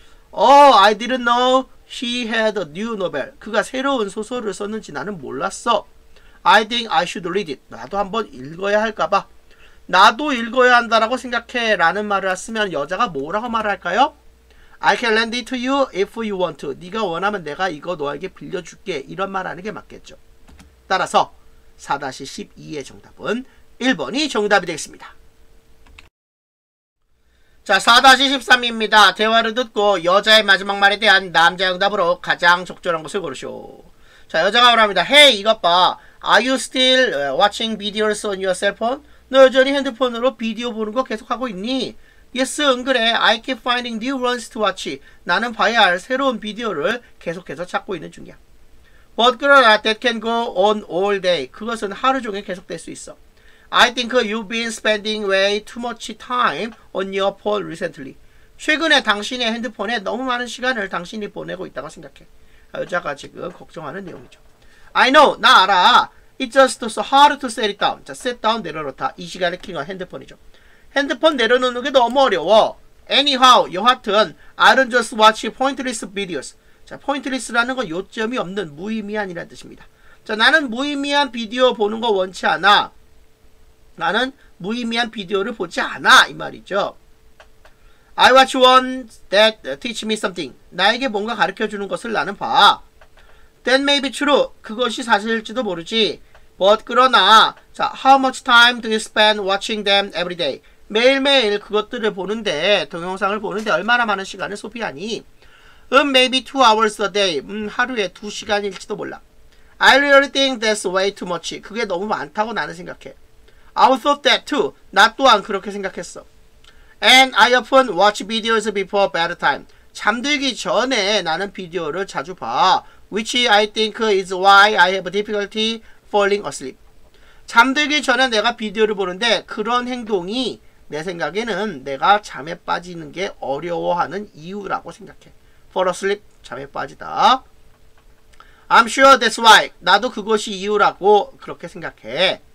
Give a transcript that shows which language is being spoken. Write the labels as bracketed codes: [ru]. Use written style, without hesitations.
[en] Oh, I didn't know he had a new novel. [ko] 그가 새로운 소설을 썼는지 나는 몰랐어. [en] I think I should read it. [ko] 나도 한번 읽어야 할까 봐. 나도 읽어야 한다라고 생각해 라는 말을 쓰면 여자가 뭐라고 말할까요? [en] I can lend it to you if you want. [ko] 네가 원하면 내가 이거 너에게 빌려줄게. 이런 말하는 게 맞겠죠. 따라서 4-12의 정답은 1번이 정답이 되겠습니다. 자, 4-13입니다. 대화를 듣고 여자의 마지막 말에 대한 남자 응답으로 가장 적절한 것을 고르쇼. 자, 여자가 말합니다. Hey, 이것 봐. [en] Are you still watching videos on your cell phone? [ko] 너 여전히 핸드폰으로 비디오 보는 거 계속하고 있니? [en] Yes, [ko] 응, 그래. [en] I keep finding new ones to watch. [ko] 나는 봐야 할 새로운 비디오를 계속해서 찾고 있는 중이야. [en] But, [ko] 그러나, [en] that can go on all day. [ko] 그것은 하루 종일 계속될 수 있어. [en] I think you've been spending way too much time on your phone recently. [ko] 최근에 당신의 핸드폰에 너무 많은 시간을 당신이 보내고 있다고 생각해. 여자가 지금 걱정하는 내용이죠. [en] I know, [ko] 나 알아. [en] It's just so hard to set it down. [ko] 자, set down 내려놓다. 이 시간에 킹은 핸드폰이죠. 핸드폰 내려놓는 게 너무 어려워. [en] Anyhow, [ko] 여하튼, [en] I don't just watch pointless videos. [ko] 자, pointless라는 건 요점이 없는 무의미한이라는 뜻입니다. 자, 나는 무의미한 비디오 보는 거 원치 않아. 나는 무의미한 비디오를 보지 않아. 이 말이죠. [en] I watch one that teach me something. [ko] 나에게 뭔가 가르쳐 주는 것을 나는 봐. [en] That may be true. [ko] 그것이 사실일지도 모르지. [en] But [ko] 그러나, 자, [en] how much time do you spend watching them every day? [ko] 매일매일 그것들을 보는데, 동영상을 보는데 얼마나 많은 시간을 소비하니? [en] Maybe 2 hours a day. [ko] 하루에 2시간일지도 몰라. [en] I really think that's way too much. [ko] 그게 너무 많다고 나는 생각해. [en] I thought that too. [ko] 나 또한 그렇게 생각했어. [en] And I often watch videos before bedtime. [ko] 잠들기 전에 나는 비디오를 자주 봐. [en] Which I think is why I have difficulty falling asleep. [ko] 잠들기 전에 내가 비디오를 보는데 그런 행동이 내 생각에는 내가 잠에 빠지는 게 어려워하는 이유라고 생각해. [en] Fall asleep, [ko] 잠에 빠지다. [en] I'm sure that's why. [ko] 나도 그것이 이유라고 그렇게 생각해.